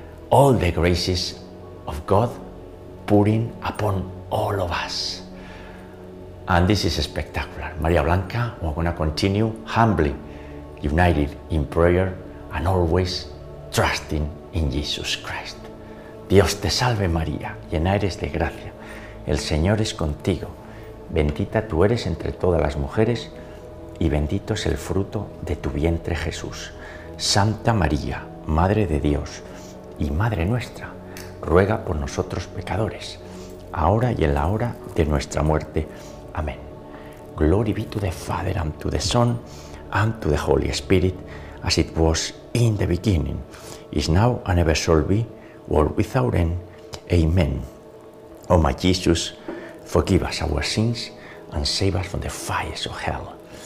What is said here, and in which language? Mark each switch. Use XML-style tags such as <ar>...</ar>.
<en>All the graces of God pouring upon all of us. And this is spectacular. Maria Blanca, we're gonna continue humbly, united in prayer, and always trusting in Jesus Christ.</en> <es>Dios te salve, María, llena eres de gracia. El Señor es contigo. Bendita tú eres entre todas las mujeres, y bendito es el fruto de tu vientre, Jesús. Santa María, Madre de Dios y Madre nuestra, ruega por nosotros pecadores, ahora y en la hora de nuestra muerte. Amén.</es> <en>Glory be to the Father, and to the Son, and to the Holy Spirit, as it was in the beginning, is now, and ever shall be, world without end. Amen. O my Jesus, forgive us our sins, and save us from the fires of hell.</en>